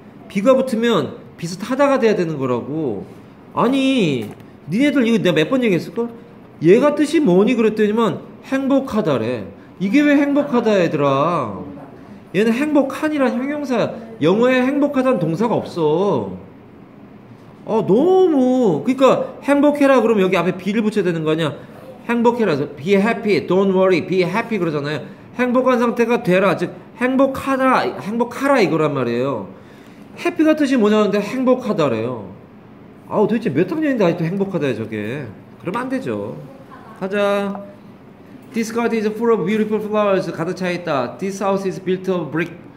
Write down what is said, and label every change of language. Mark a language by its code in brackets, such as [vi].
[ko] be가 붙으면 비슷하다가 돼야 되는 거라고. 아니, 니네들 이거 내가 몇 번 얘기했을걸? 얘가 뜻이 뭐니? 그랬더니만 행복하다래. 이게 왜 행복하다, 얘들아. 얘는 행복한이란 형용사. 영어에 행복하다는 동사가 없어. 어, 너무. 그러니까 행복해라 그러면 여기 앞에 be를 붙여야 되는 거 아니야? 행복해라. [en] be happy, don't worry, be happy [ko] 그러잖아요. 행복한 상태가 되라. 즉 행복하다, 행복하라 이거란 말이에요. happy가 뜻이 뭐냐 하는데 행복하다래요. 아우, 도대체 몇 학년인데 아직도 행복하다야 저게. 그럼 안 되죠. 가자. [en] This garden is full of beautiful flowers. [ko] 가득 차 있다. [en] This house is built of brick.